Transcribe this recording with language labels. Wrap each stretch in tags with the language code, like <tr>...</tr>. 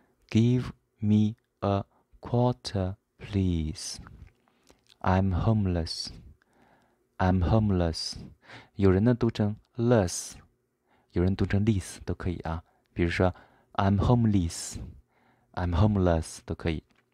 <en>Give me a quarter, please. I'm homeless. I'm homeless.</en> <zh>有人呢读成 less，有人读成 lease 都可以啊。比如说</zh> <en>I'm homeless, I'm homeless</en> <zh>都可以。</zh>